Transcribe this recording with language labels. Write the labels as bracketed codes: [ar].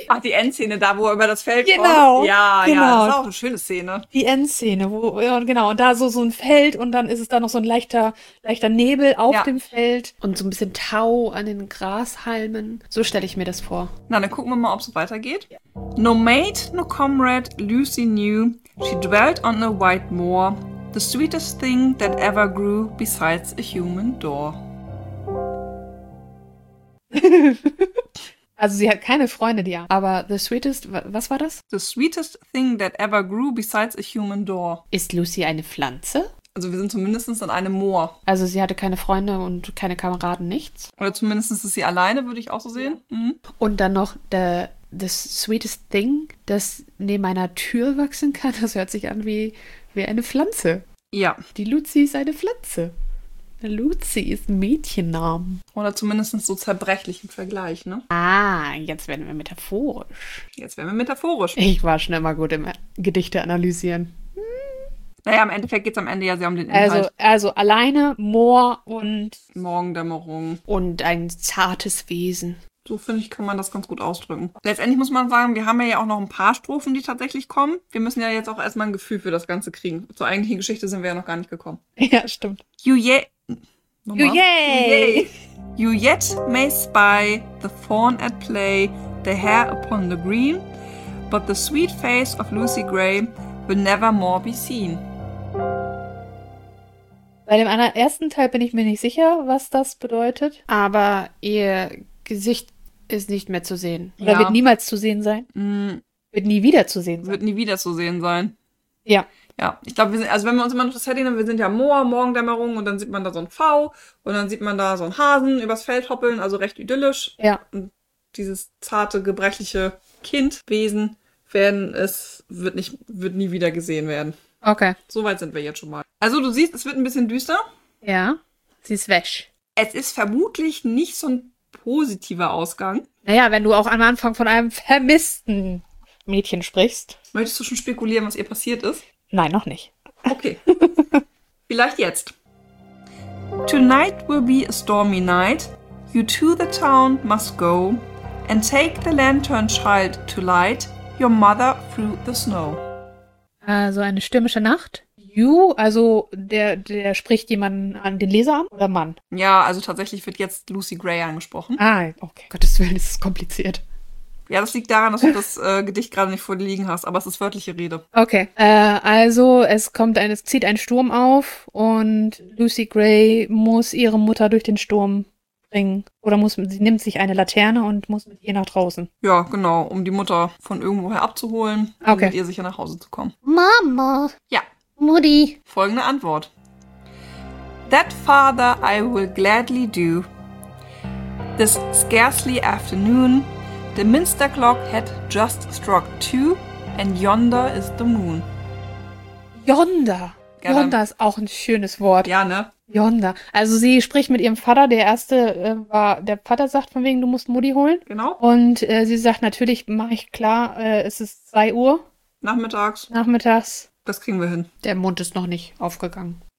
[de] Ach, die Endszene da, wo er über das Feld genau, kommt. Genau. Ja, das ist auch eine schöne Szene. Die Endszene, wo, ja, genau, und da so ein Feld und dann ist es da noch so ein leichter Nebel auf dem Feld und so ein bisschen Tau an den Grashalmen. So stelle ich mir das vor. Na, dann gucken wir mal, ob es weitergeht. Ja. [en] No mate, no comrade, Lucy knew, she dwelt on a white moor, the sweetest thing that ever grew besides a human door. [de] Also sie hat keine Freunde, die ja. Aber [en] the sweetest, [de] was war das? [en] The sweetest thing that ever grew besides a human door. [de] Ist Lucy eine Pflanze? Also wir sind zumindest an einem Moor. Also sie hatte keine Freunde und keine Kameraden, nichts? Oder zumindest ist sie alleine, würde ich auch so sehen. Mhm. Und dann noch [en] the sweetest thing, [de] das neben einer Tür wachsen kann. Das hört sich an wie eine Pflanze. Ja. Die Lucy ist eine Pflanze. Lucy ist ein Mädchennamen. Oder zumindest so zerbrechlich im Vergleich, ne? Ah, jetzt werden wir metaphorisch. Ich war schon immer gut im Gedichte analysieren. Naja, im Endeffekt geht es am Ende ja sehr um den Inhalt. Also alleine Moor und... Morgendämmerung. Und ein zartes Wesen. So, finde ich, kann man das ganz gut ausdrücken. Letztendlich muss man sagen, wir haben ja auch noch ein paar Strophen, die tatsächlich kommen. Wir müssen ja jetzt auch erstmal ein Gefühl für das Ganze kriegen. Zur eigentlichen Geschichte sind wir ja noch gar nicht gekommen. Ja, stimmt. [en] You yet may spy the fawn at play, the hare upon the green, but the sweet face of Lucy Gray will never more be seen. [de] Bei dem ersten Teil bin ich mir nicht sicher, was das bedeutet, aber ihr Gesicht ist nicht mehr zu sehen. Oder wird niemals zu sehen sein? Wird nie wiederzusehen Wird sein. nie wiederzusehen sein. Ja. Ja, ich glaube, wir sind, also wenn wir uns immer noch das Setting haben, wir sind ja Moor, Morgendämmerung, und dann sieht man da so ein V und dann sieht man da so einen Hasen übers Feld hoppeln, also recht idyllisch. Ja. Und dieses zarte, gebrechliche Kindwesen werden es, wird nicht, wird nie wieder gesehen werden. Okay. So weit sind wir jetzt schon mal. Also du siehst, es wird ein bisschen düster. Ja, sie ist wäsch. Es ist vermutlich nicht so ein positiver Ausgang. Naja, wenn du auch am Anfang von einem vermissten Mädchen sprichst. Möchtest du schon spekulieren, was ihr passiert ist? Nein, noch nicht. Okay. Vielleicht jetzt. [en] Tonight will be a stormy night. You to the town must go. And take the lantern child to light your mother through the snow. [de] Also eine stürmische Nacht. You, also der spricht jemanden an, den Leser an oder Mann? Ja, also tatsächlich wird jetzt Lucy Gray angesprochen. Ah, okay. Gottes Willen, ist es kompliziert. Ja, das liegt daran, dass du das Gedicht gerade nicht vor dir liegen hast, aber es ist wörtliche Rede. Okay. Also es zieht ein Sturm auf und Lucy Gray muss ihre Mutter durch den Sturm bringen. Oder muss sie nimmt sich eine Laterne und muss mit ihr nach draußen. Ja, genau, um die Mutter von irgendwoher abzuholen, um mit Okay. ihr sicher nach Hause zu kommen. Mama. Ja. Mutti. Folgende Antwort. [en] That, father, I will gladly do. This scarcely afternoon, the minster clock had just struck two, and yonder is the moon. Yonder. Yonder [de] Gerne. ist auch ein schönes Wort. Ja, ne? [en] Yonder. [de] Also sie spricht mit ihrem Vater. Der erste war, der Vater sagt von wegen, du musst Mutti holen. Genau. Und sie sagt, natürlich mache ich klar, es ist 2 Uhr Nachmittags. nachmittags. Das kriegen wir hin. Der Mund ist noch nicht aufgegangen.